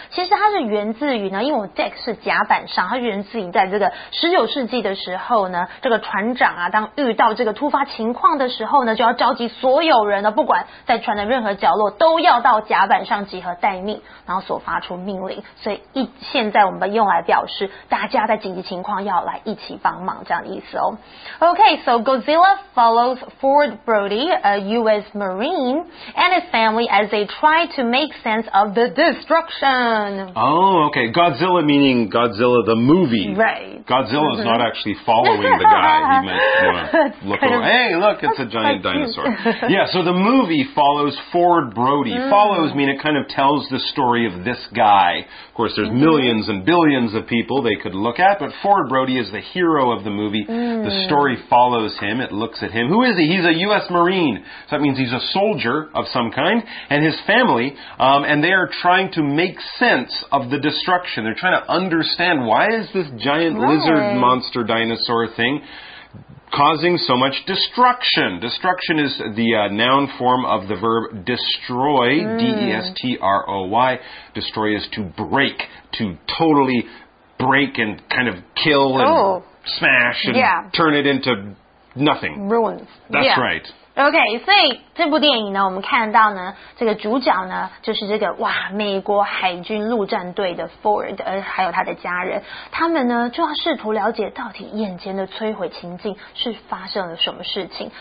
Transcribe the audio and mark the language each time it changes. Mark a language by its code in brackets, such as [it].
[zh] 其实它是源自于呢，因为我 deck 是甲板上，它源自于在这个19世纪的时候呢，这个船长啊，当遇到这个突发情况的时候呢，就要召集所有人呢，不管在船的任何角落都要到甲板上集合待命，然后所发出命令。所以现在我们用来表示大家在紧急情况要来一起帮忙这样的意思哦。 [en] Okay, so Godzilla follows Ford Brody, a U.S. Marine, and his family as they try to make sense of the destruction. Oh, okay. Godzilla meaning Godzilla the movie. Right. Godzilla is not actually following the guy. He might want to look over. Hey, look, it's a giant dinosaur. Yeah, so the movie follows Ford Brody. Mm. Follows mean it kind of tells the story of this guy. Of course, there's millions and billions of people they could look at, but Ford Brody is the hero of the movie. Mm. The story follows him. It looks at him. Who is he? He's a U.S. Marine. So that means he's a soldier of some kind. And his family, and they are trying to make sense of the destruction. They're trying to understand why is this giant lizard monster dinosaur thing causing so much destruction. Destruction is the noun form of the verb destroy, D-E-S-T-R-O-Y. Destroy is to break, to totally break and kind of kill and smash and turn it into nothing. Ruins. That's right. [zh] Okay, 所以这部电影呢，我们看到呢，这个主角呢，就是这个哇，美国海军陆战队的 Ford, 还有他的家人，他们呢就要试图了解到底眼前的摧毁情境是发生了什么事情。